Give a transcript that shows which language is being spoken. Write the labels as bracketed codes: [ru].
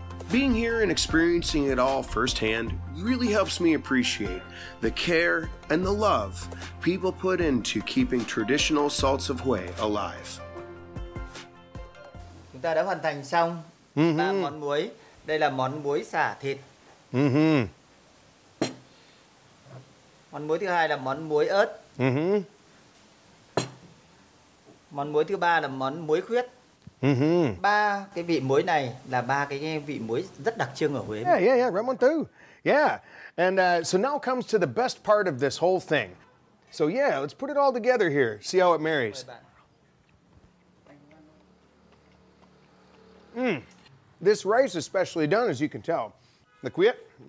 [en] Being here and experiencing it all firsthand really helps me appreciate the care and the love people put into keeping traditional salts of Hue alive. [vi] Chúng ta đã hoàn thành xong ba món muối. Đây là món muối xả thịt. Món muối thứ hai là món muối ớt. Món muối thứ ba là món muối khuyết. Ba cái vị muối này là ba cái vị muối rất đặc trưng ở Huế. [en] Yeah, right one too. Yeah, and so now comes to the best part of this whole thing. So yeah, let's put it all together here, see how it marries. This rice is specially done, as you can tell. The quiet?